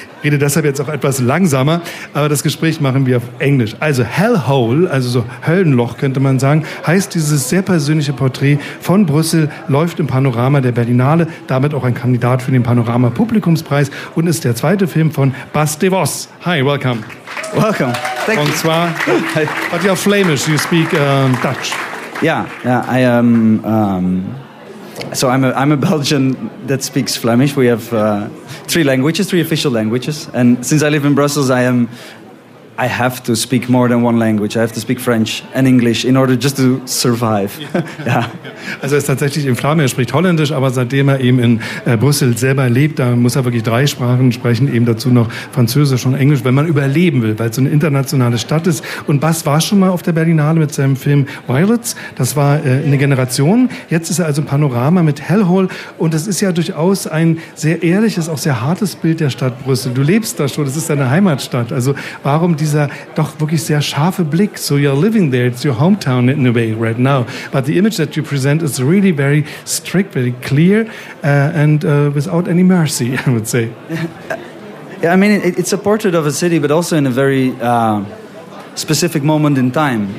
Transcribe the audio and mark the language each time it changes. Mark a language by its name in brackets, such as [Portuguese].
[German] Ich rede deshalb jetzt auch etwas langsamer, aber das Gespräch machen wir auf Englisch. Also Hellhole, also so Höllenloch könnte man sagen, heißt dieses sehr persönliche Porträt von Brüssel, läuft im Panorama der Berlinale, damit auch ein Kandidat für den Panorama-Publikumspreis und ist der zweite Film von Bas de Vos. [English] Hi, welcome. Welcome. Thank you. [German] Und zwar, [English] but you're Flemish, you speak Dutch. Yeah, I am... So I'm a Belgian that speaks Flemish. We have three official languages. And since I live in Brussels, I have to speak more than one language. I have to speak French and English in order just to survive. Yeah. [German] Also er ist tatsächlich in Flamme, er spricht Holländisch, aber seitdem er eben in Brüssel selber lebt, da muss er wirklich drei Sprachen sprechen, eben dazu noch Französisch und Englisch, wenn man überleben will, weil es so eine internationale Stadt ist. Und Bas war schon mal auf der Berlinale mit seinem Film Violets, das war eine Generation. Jetzt ist er also im Panorama mit Hellhole und es ist ja durchaus ein sehr ehrliches, auch sehr hartes Bild der Stadt Brüssel. Du lebst da schon, das ist deine Heimatstadt. Also warum dieser doch wirklich sehr scharfe Blick? [English] So you're living there, it's your hometown in a way right now. But the image that you present is really very strict, very clear, and without any mercy, I would say. Yeah, I mean, it's a portrait of a city, but also in a very specific moment in time.